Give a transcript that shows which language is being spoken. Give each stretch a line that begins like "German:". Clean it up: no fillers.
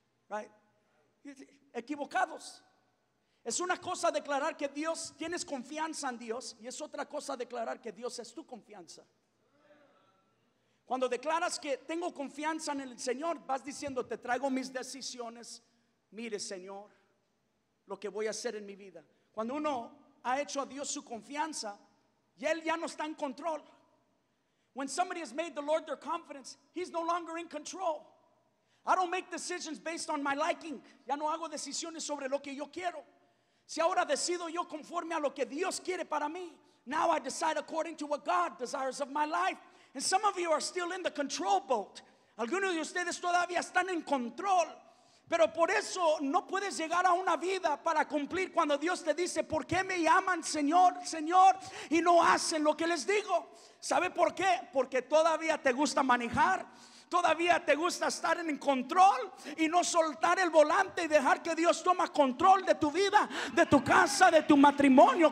Spanish: Right? Equivocados. Es una cosa declarar que Dios, tienes confianza en Dios, y es otra cosa declarar que Dios es tu confianza. Cuando declaras que tengo confianza en el Señor, vas diciendo, te traigo mis decisiones, mire Señor, lo que voy a hacer en mi vida. Cuando uno ha hecho a Dios su confianza, y Él ya no está en control.
English: When somebody has made the Lord their confidence, He's no longer in control. I don't make decisions based on my liking.
Spanish: Ya no hago decisiones sobre lo que yo quiero. Si ahora decido yo conforme a lo que Dios quiere para mí.
English: Now I decide according to what God desires of my life. And some of you are still in the control boat.
Spanish: Algunos de ustedes todavía están en control. Pero por eso no puedes llegar a una vida para cumplir cuando Dios te dice, ¿por qué me llaman Señor, Señor? Y no hacen lo que les digo. ¿Sabe por qué? Porque todavía te gusta manejar. Todavía te gusta estar en control y no soltar el volante y dejar que Dios toma control de tu vida, de tu casa, de tu matrimonio.